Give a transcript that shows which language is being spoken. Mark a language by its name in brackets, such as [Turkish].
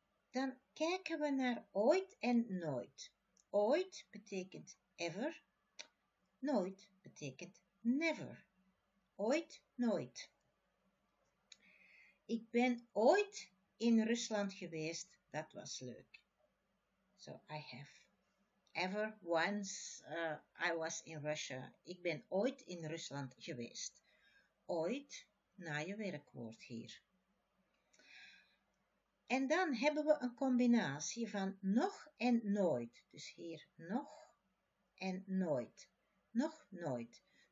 [Dutch] Dan kijken we naar ooit en nooit. Ooit betekent ever. Nooit betekent never. Ooit, nooit. Ik ben ooit in Rusland geweest. Dat was leuk. [English] So I have ever, once, I was in Russia. [Dutch] Ik ben ooit in Rusland geweest. Ooit, na je werkwoord hier. En dan hebben we een combinatie van nog en nooit. Dus hier nog en nooit. Nog nooit.